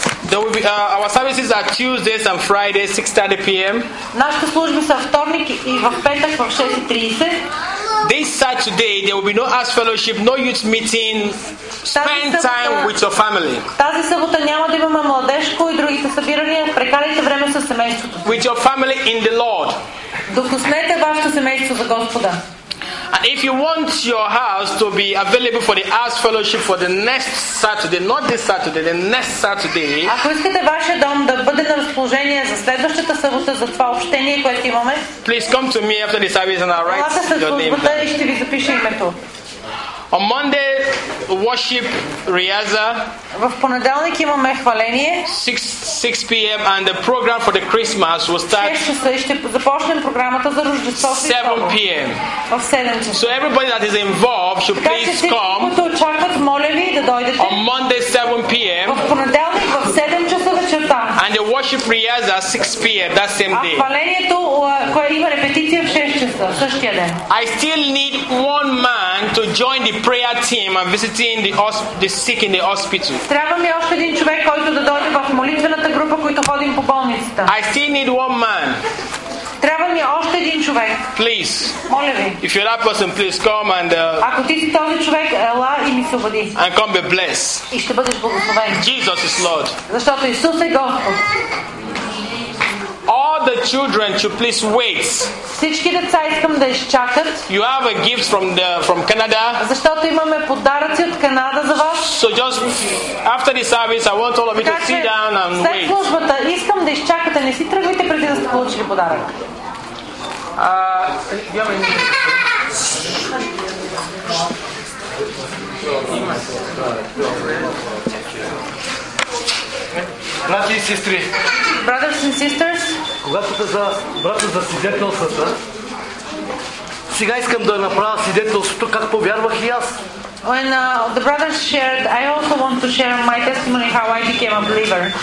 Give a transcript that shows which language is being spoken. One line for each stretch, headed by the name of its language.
English: There will be, our services are Tuesdays and Fridays, 6:30 p.m.
Bulgarian: Нашите служби са вторник и в петък в 6:30.
English: This Saturday there will be no house fellowship, no youth meeting. Spend time with your family.
Bulgarian: Тази събота няма да имаме младежко и другите събирания. Прекарайте време с семейството.
English: With your family in the Lord.
Bulgarian: Докоснете вашето семейство за Господа.
English: And if you want your house to be available for the house fellowship for the next Saturday, not this Saturday, the next Saturday.
Bulgarian: Ако искате вашия дом да бъде на разположение за следващата събота за това общение, което имаме,
English: please come to me after the service and I'll write your name.
Bulgarian: Аз ще ви запиша името.
English: On Monday, worship Riaza.
Bulgarian: В понеделник имаме хваление.
English: 6 p.m. and the program for the Christmas will start.
Bulgarian: 6:00 ще започнем програмата за Рождество.
English: 7 p.m.
Bulgarian: В 7 часа.
English: So everybody that is involved should please come.
Bulgarian: Всички, които очакват, моля ви да дойдете.
English: On Monday, 7 p.m.
Bulgarian: В понеделник в 7 часа вечерта.
English: And the worship Riaza 6 p.m. that same day.
Bulgarian: А хвалението, кое има репетиция в 6 часа, същия ден.
English: I still need one man to join the prayer team and visiting the sick in the hospital.
Bulgarian: Трябва ми още един човек, който да дойде в молитвената група, който ходим по болницата.
English: I still need one man.
Bulgarian: Трябва ми още един човек.
English: Please.
Bulgarian: Моля ви.
English: If you're that person, please come and.
Bulgarian: Ако ти си този човек, ела и ми се освободи.
English: And come be blessed.
Bulgarian: И ще бъдеш благословен.
English: Jesus is Lord.
Bulgarian: Защото Исус е Господ.
English: All the children should please wait.
Bulgarian: Всички деца искам да изчакат.
English: You have a gift from Canada.
Bulgarian: Защото имаме подаръци от Канада за вас.
English: So just after the service I want all of you to sit down and wait.
Bulgarian: След службата искам да изчакате, не си тръгвайте преди да сте получили подарък. Брати и сестри.
English: Brothers and sisters.
Bulgarian: Когато те за брата за свидетелствата, сега искам да направя свидетелството как повярвах и аз.
English: When the brothers shared, I also want to share my testimony how I became a believer.